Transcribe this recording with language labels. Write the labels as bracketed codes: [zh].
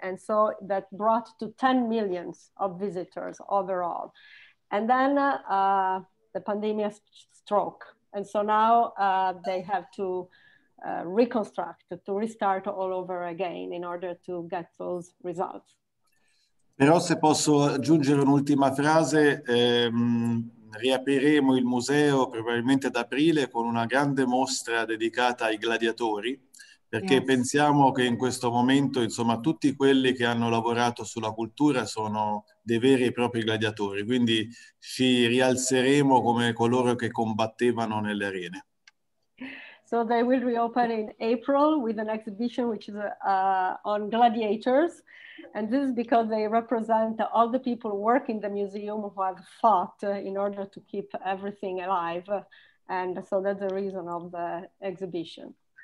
[en] And so that brought to 10 million of visitors overall. And then the pandemic struck. And so now they have to reconstruct, to restart all over again in order to get those results. [it] Però se posso aggiungere un'ultima frase, riapriremo il museo probabilmente ad aprile con una grande mostra dedicata ai gladiatori, perché yes, pensiamo che in questo momento, insomma, tutti quelli che hanno lavorato sulla cultura sono dei veri e propri gladiatori, quindi ci rialzeremo come coloro che combattevano nelle arene. [en] So they will reopen in April with an exhibition which is on gladiators. And this is because they represent all the people who work in the museum who have fought in order to keep everything alive. And so that's the reason of the exhibition.